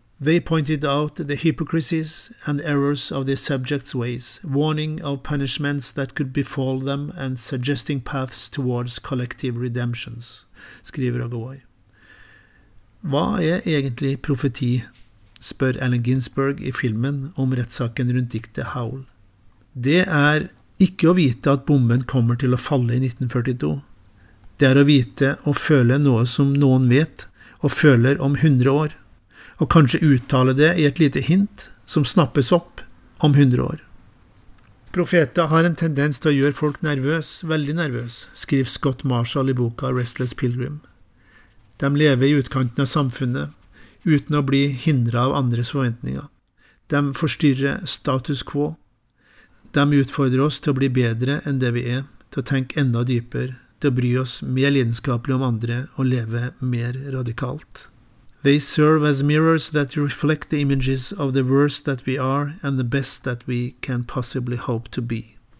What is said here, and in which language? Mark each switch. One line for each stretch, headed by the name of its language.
English: They pointed out the hypocrisies and errors of the subjects' ways, warning of punishments that could befall them and suggesting paths towards collective redemptions, skriver Rogaway.
Norwegian: Hva egentlig profeti, spør Allen Ginsberg I filmen om rettssaken rundt diktet Howl. Det ikke å vite at bomben kommer til å falle I 1942. Det å vite og føle noe som noen vet og føler om 100 år. Og kanskje uttale det I et lite hint som snappes opp om 100 år. Profeter har en tendens til å gjøre folk nervøs, veldig nervøs, skriver Scott Marshall I boka Restless Pilgrim. De lever I utkanten av samfunnet, uten å bli hindret av andres forventninger. De forstyrrer status quo. De utfordrer oss til å bli bedre enn det vi til å tenke enda dypere, til å bry oss mer lidenskapelig om andre og leve mer radikalt.
English: They serve as mirrors that reflect the images of the worst that we are and the best that we can possibly hope to be.